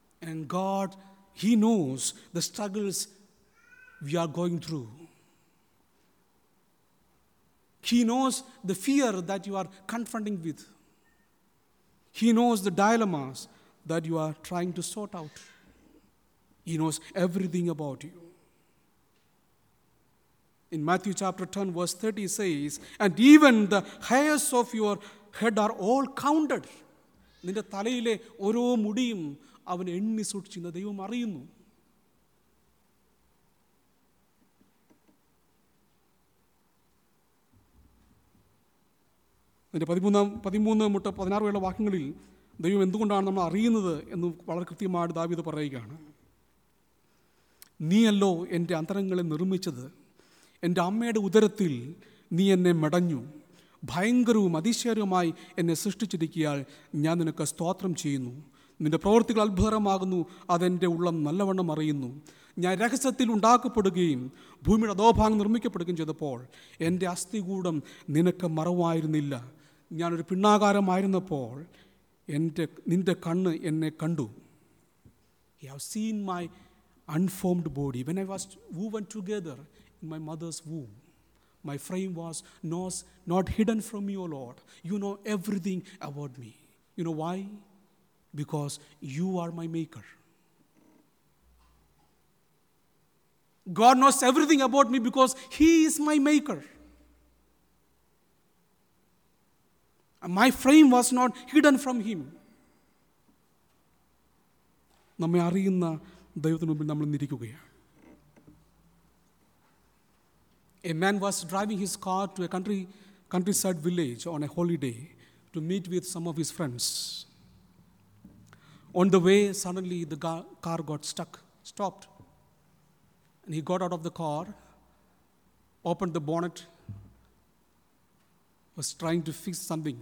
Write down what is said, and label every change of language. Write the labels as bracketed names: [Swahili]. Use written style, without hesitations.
[English] And God, he knows the struggles we are going through. He knows the fear that you are confronting with. He knows the dilemmas that you are trying to sort out. He knows everything about you. In Matthew chapter 10 verse 30 says, and even the hairs of your head are all counted. [Malayalam] നിന്റെ തലയിലെ ഓരോ മുടിയും അവൻ എണ്ണി സൂക്ഷിക്കുന്ന ദൈവം അറിയുന്നു. നിന്റെ 13-16 വാക്യങ്ങളിൽ ദൈവം എന്തുകൊണ്ടാണ് നമ്മൾ അറിയുന്നത് എന്ന് വളരെ കൃത്യമായിട്ട് ദാവീദ് പറയുകയാണ്. നീയല്ലോ എൻ്റെ അന്തരങ്ങളെ നിർമ്മിച്ചത്, എൻ്റെ അമ്മയുടെ ഉദരത്തിൽ നീ എന്നെ മെടഞ്ഞു. ഭയങ്കരവും അതിശയകരവുമായി എന്നെ സൃഷ്ടിച്ചിരിക്കിയാൽ ഞാൻ നിനക്ക് സ്തോത്രം ചെയ്യുന്നു. നിന്റെ പ്രവൃത്തികൾ അത്ഭുതകരമാകുന്നു, അതെൻ്റെ ഉള്ളം നല്ലവണ്ണം അറിയുന്നു. ഞാൻ രഹസ്യത്തിൽ ഉണ്ടാക്കപ്പെടുകയും ഭൂമിയുടെ അധോഭാഗം നിർമ്മിക്കപ്പെടുകയും ചെയ്തപ്പോൾ എൻ്റെ അസ്ഥികൂടം നിനക്ക് മറവായിരുന്നില്ല. ഞാനൊരു പിണ്ണാകാരമായിരുന്നപ്പോൾ നിന്റെ കണ്ണ് എന്നെ കണ്ടു. [English] He have seen my unformed body when I was woven together in my mother's womb. My frame was not hidden from you, O Lord. You know everything about me. You know why? Because you are my maker. God knows everything about me because he is my maker. My frame was not hidden from him. [Malayalam] നമ്മെ അറിയുന്ന ദൈവത്തിന് മുമ്പിൽ നമ്മൾ നിൽക്കുകയാണ്. [English] A man was driving his car to a countryside village on a holiday to meet with some of his friends. On the way, suddenly the car got stopped. And he got out of the car, opened the bonnet, was trying to fix something.